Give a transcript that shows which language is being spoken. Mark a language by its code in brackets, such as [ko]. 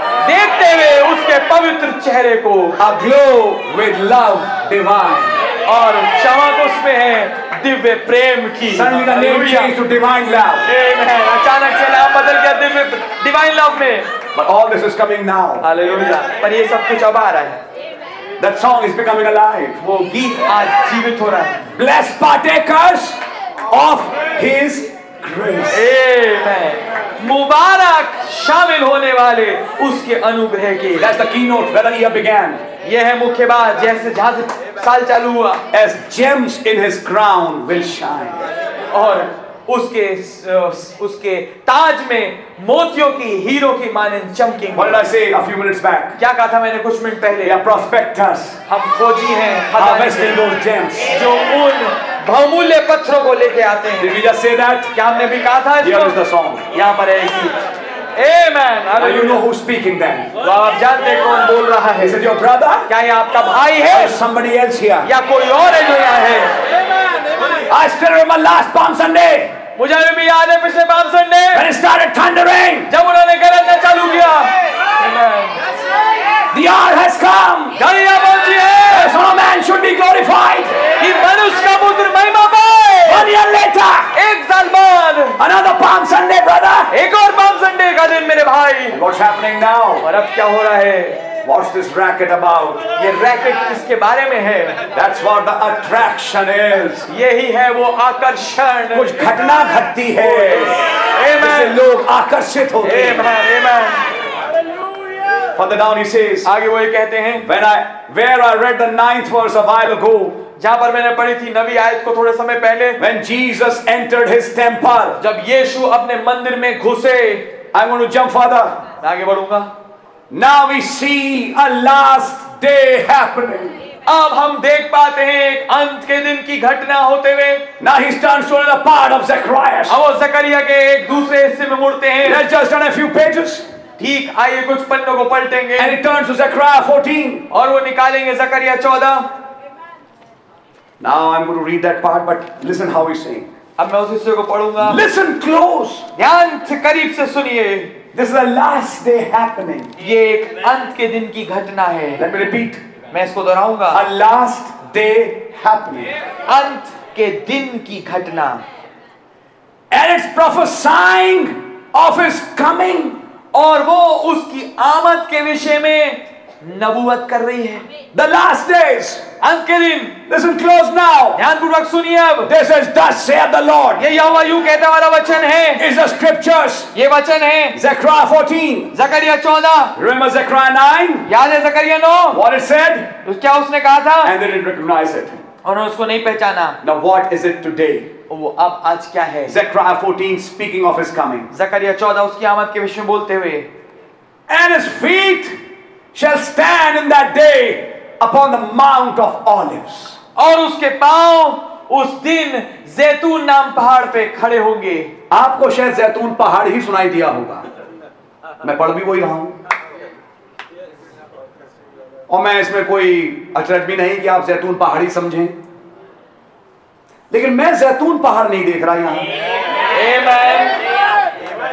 [hi] देखते हुए उसके पवित्र चेहरे को. [en] Aglow with love divine. [hi] और चमक उसमें है दिव्य प्रेम की अचानक से नाम बदल गया दिव्य डिवाइन लव में [en] But all this is coming now. [hi] Hallelujah. पर ये सब कुछ अब आ रहा है [en] That song is becoming alive. [hi] वो गीत आज जीवित हो रहा है [en] Blessed partakers of his grace. Amen. [hi] मुबारक शामिल होने वाले उसके अनुग्रह के [en] That's the keynote where he began. [hi] ये है मुख्य बात जैसे जहां से साल चालू हुआ [en] As gems in his crown will shine. [hi] और उसके उसके ताज में मोतियों की हीरो की मानिंद चमकेंगे [en] What did I say a few minutes back? [hi] क्या कहा था मैंने कुछ मिनट पहले [en] We are prospectors. [hi] हम खोजी हैं [en] Harvesting those gems. [hi] जो उन बहुमूल्य पत्थरों को लेके आते हैं [en] Did we just say that? [hi] क्या हमने भी कहा था [en] Here is the song. [hi] यहाँ पर है गीत Amen. [en] Now you know who's speaking then. [hi] आप जानते कौन बोल रहा है? [en] Is it your brother? [hi] क्या ये आपका भाई है? [en] Or somebody else here? [hi] या कोई और है जो यहाँ है? [en] Amen. I still remember last Palm Sunday. [hi] मुझे अभी भी याद है पिछले Palm Sunday. [en] When it started thundering. [hi] जब उन्होंने गरजना चालू किया. [en] Amen. The hour has come. [hi] घड़ी आ पहुँची है. [en] The Son of Man should be glorified. [hi] कि मनुष्य का पुत्र महिमा पाए. [en] One year later. [hi] एक साल बाद. [en] Another Palm Sunday, brother. [hi] एक और Palm Sunday. मेरे भाई [en] What's happening now? [hi] और अब क्या हो रहा है [en] What's this racket about? [hi] ये racket किसके बारे में है [en] That's what the attraction is. [hi] यही है वो आकर्षण कुछ घटना घटती है [en] Amen. [hi] लोग आकर्षित होते हैं Amen. [en] Further down he says, [hi] आगे वो ये कहते हैं [en] where I read the ninth verse a while ago. [hi] जहाँ पर मैंने पढ़ी थी नवी आयत को थोड़े समय पहले [en] When Jesus entered his temple. [hi] जब यीशु अपने मंदिर में घुसे [en] I'm going to jump further. [hi] आगे बढ़ूंगा [en] Now we see a last day happening. [hi] अब हम देख पाते हैं एक अंत के दिन की घटना होते हुए [en] Now he stands to another part of Zacharias. [hi] अब वो ज़करिया के एक दूसरे हिस्से में मुड़ते हैं [en] Let's just turn a few pages. [hi] ठीक आइए कुछ पन्नों को पलटेंगे [en] And he turns to Zechariah 14. [hi] और वो निकालेंगे Zakaria 14. [en] Now I'm going to read that part, but listen how he's saying. [hi] अब मैं उस हिस्से को पढ़ूंगा [en] Listen close. [hi] ध्यान से करीब से सुनिए [en] This is the last day happening. [hi] ये एक अंत के दिन की घटना है [en] Let me repeat. [hi] मैं इसको दोहराऊंगा [en] A last day happening. [hi] अंत के दिन की घटना [en] And it's prophesying of his coming. [hi] और वो उसकी आमद के विषय में नबुवत कर रही है [en] The last days. [hi] अंत के दिन [en] Listen close now. [hi] ध्यान पूर्वक सुनिए अब [en] This is thus saith the Lord. [hi] ये यहोवा यूं कहता वाला वचन है [en] Is the scriptures. [hi] ये वचन है [en] Zechariah 14. [hi] ज़करिया 14. [en] Remember Zechariah 9. [hi] याद है ज़करिया 9. [en] What it said. [hi] क्या उसने कहा था [en] And they didn't recognize it. [hi] और उसको नहीं पहचाना [en] Now what is it today? [hi] वो अब आज क्या है [en] Zechariah 14 speaking of his coming. [hi] Zakaria 14 उसकी आमद के विषय में बोलते हुए [en] And his feet shall stand in that day. Upon the Mount of Olives. [hi] और उसके पांव उस दिन जैतून नाम पहाड़ पे खड़े होंगे आपको शायद जैतून पहाड़ ही सुनाई दिया होगा मैं पढ़ भी वही रहा हूं और मैं इसमें कोई अचरज भी नहीं कि आप जैतून पहाड़ी समझें लेकिन मैं जैतून पहाड़ नहीं देख रहा यहां